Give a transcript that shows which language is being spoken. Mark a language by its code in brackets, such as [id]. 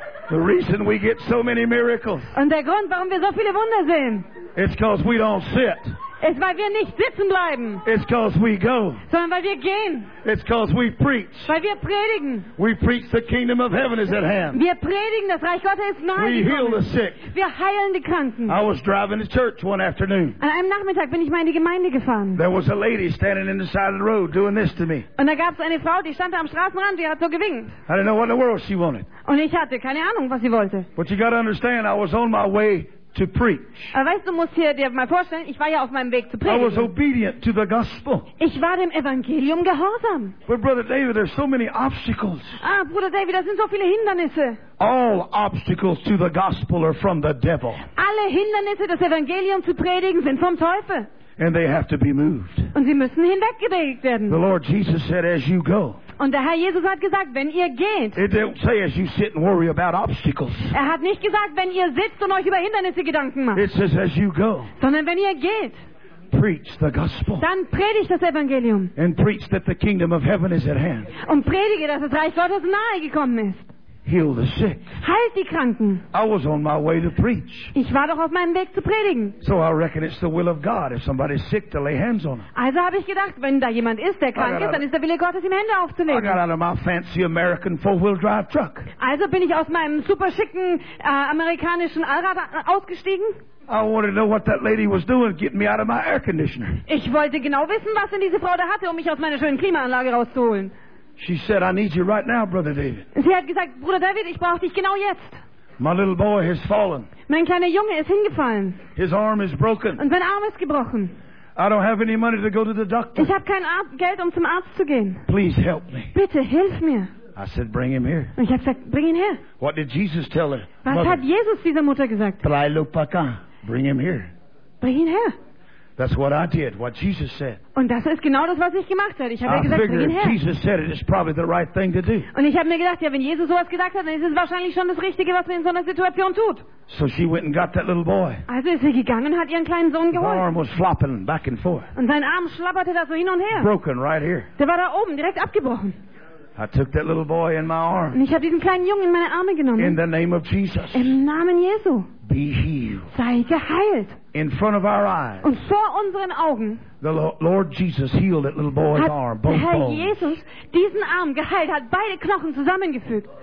[en] The reason we get so many miracles. [de] Und der Grund, warum wir so viele Wunder sehen. [en] It's because we don't sit. [de] Es ist, weil wir nicht sitzen bleiben. [en] It's because we go. [de] Sondern weil wir gehen. [en] It's because we preach. [de] Weil wir predigen. [en] We preach the kingdom of heaven is at hand. [de] Wir predigen, das Reich Gottes ist nahe. [en] We heal the sick. [de] Wir heilen die Kranken. [en] I was driving to church one afternoon. [de] An einem Nachmittag bin ich mal in die Gemeinde gefahren. [en] There was a lady standing in the side of the road doing this to me. [de] Und da gab es eine Frau, die stand da am Straßenrand, die hat so gewinkt. [en] I didn't know what in the world she wanted. [de] Und ich hatte keine Ahnung, was sie wollte. [en] But you got to understand, I was on my way to preach. [de] Aber weißt du, musst dir mal vorstellen, ich war ja auf meinem Weg zu predigen. [en] I was obedient to the gospel. [de] Ich war dem Evangelium gehorsam. [en] But Brother David, there's so many obstacles. [de] Ah, Bruder David, da sind so viele Hindernisse. [en] All obstacles to the gospel are from the devil. [de] Alle Hindernisse, das Evangelium zu predigen, sind vom Teufel. [en] And they have to be moved. [de] Und sie müssen hinweggelegt werden. [en] The Lord Jesus said, as you go. [de] Und der Herr Jesus hat gesagt, wenn ihr geht. [en] It don't say as you sit and worry about obstacles. [de] Er hat nicht gesagt, wenn ihr sitzt und euch über Hindernisse Gedanken macht. [en] It says as you go. [de] Sondern wenn ihr geht. [en] Preach the gospel. [de] Dann predigt das Evangelium. [en] And preach that the kingdom of heaven is at hand. [de] Und predige, dass das Reich Gottes nahe gekommen ist. [en] Heal the sick. [de] Heilt die Kranken. [en] I was on my way to preach. [de] Ich war doch auf meinem Weg zu predigen. [en] So I reckon it's the will of God if somebody's sick to lay hands on them. [de] Also habe ich gedacht, wenn da jemand ist, der krank ist, dann ist der Wille Gottes, ihm Hände aufzulegen. [en] I got out of my fancy American four-wheel drive truck. [de] Also bin ich aus meinem super schicken amerikanischen Allrad ausgestiegen. [en] I wanted to know what that lady was doing, getting me out of my air conditioner. [de] Ich wollte genau wissen, was denn diese Frau da hatte, um mich aus meiner schönen Klimaanlage rauszuholen. [en] She said, I need you right now, Brother David. [de] Sie hat gesagt, Bruder David, ich brauche dich genau jetzt. [en] My little boy has fallen. [de] Mein kleiner Junge ist hingefallen. [en] His arm is broken. [de] Und sein Arm ist gebrochen. [en] I don't have any money to go to the doctor. [de] Ich habe kein Geld, um zum Arzt zu gehen. [en] Please help me. [de] Bitte hilf mir. [en] I said, bring him here. [de] Und ich habe gesagt, bring ihn her. [en] What did Jesus tell her? [de] Was [en] Mother, [de] hat Jesus dieser Mutter gesagt? [en] Trailopaka, bring him here. [de] Bring ihn her. [en] That's what I did, what Jesus said. [de] Und das ist genau das, was ich gemacht habe. Ich habe gesagt, bring ihn her. [en] Jesus said it, it's probably the right thing to do. [de] Und ich habe mir gedacht, ja, wenn Jesus sowas gesagt hat, dann ist es wahrscheinlich schon das Richtige, was man in so einer Situation tut. [en] So she went and got that little boy. [de] Also ist sie gegangen und hat ihren kleinen Sohn geholt. [en] His arm was flopping back and forth. [de] Und sein Arm schlapperte da so hin und her. [en] Broken right here. [de] Der war da oben, direkt abgebrochen. [en] I took that little boy in my arms. [de] Und ich habe diesen kleinen Jungen in meine Arme genommen. [en] In the name of Jesus. [de] Im Namen Jesu. [en] Be healed. [de] Sei geheilt. [en] In front of our eyes. [de] Und vor unseren Augen. [en] The Lord Jesus healed that little boy's arm, both bones. [de] Hat der Herr Jesus diesen Arm geheilt, hat beide Knochen zusammengefügt.